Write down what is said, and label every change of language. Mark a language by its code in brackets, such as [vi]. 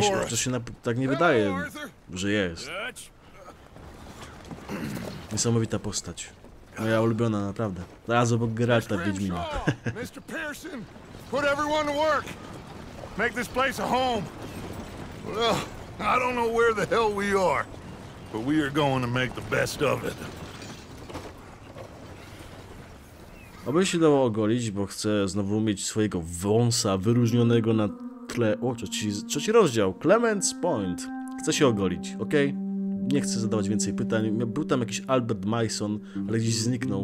[pl] To się tak nie wydaje, że jest. Niesamowita postać. Moja ulubiona, naprawdę. Zaraz obok Geralta w Wiedźminie. Mr. [en] Pearson, put everyone to work. Make this place a home. Well, I don't know where the hell we are, but we are going to make the best of it. [pl] Aby się dało ogolić, bo chcę znowu mieć swojego wąsa wyróżnionego na tle. O, trzeci rozdział. Clements Point. Chcę się ogolić, okej? Okay? Nie chcę zadawać więcej pytań. Był tam jakiś Albert Mason, ale gdzieś zniknął.